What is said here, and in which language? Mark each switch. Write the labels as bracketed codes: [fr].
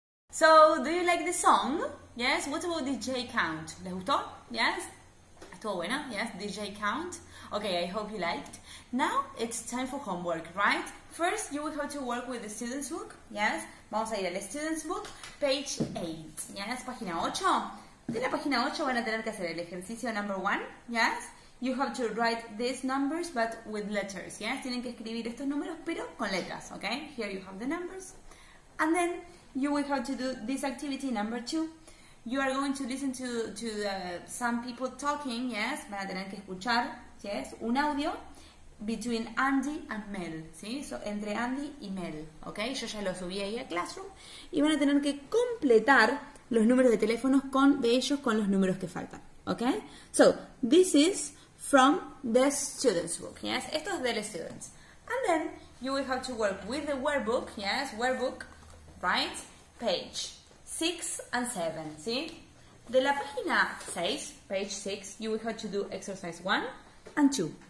[en] So, do you like the song? Yes? What about DJ Count? [es] ¿Le gustó? [en] Yes? [es] Estuvo buena? [en] Yes? DJ Count? Okay, I hope you liked. Now, it's time for homework, right? First, you will have to work with the student's book, yes? [es] Vamos a ir al student's book, [en] page 8, yes? [es] Página 8. De la página 8 van a tener que hacer el ejercicio [en] number 1, yes? You have to write these numbers, but with letters, yes? [es] Tienen que escribir estos números, pero con letras, okay? [en] Here you have the numbers. And then, you will have to do this activity number 2. You are going to listen to some people talking, yes? [es] Van a tener que escuchar, yes? Un audio. [en] Between Andy and Mel, [es] ¿sí? So, entre Andy y Mel, ¿ok? Yo ya lo subí ahí a Classroom. Y van a tener que completar los números de teléfonos con, de ellos con los números que faltan, [en] Okay? So, this is from the student's book, yes? [es] Esto es del student's. [en] And then, you will have to work with the workbook, yes? Workbook, right? Page 6 and 7, see? [es] De la página 6, [en] page 6, you will have to do exercise 1 and 2.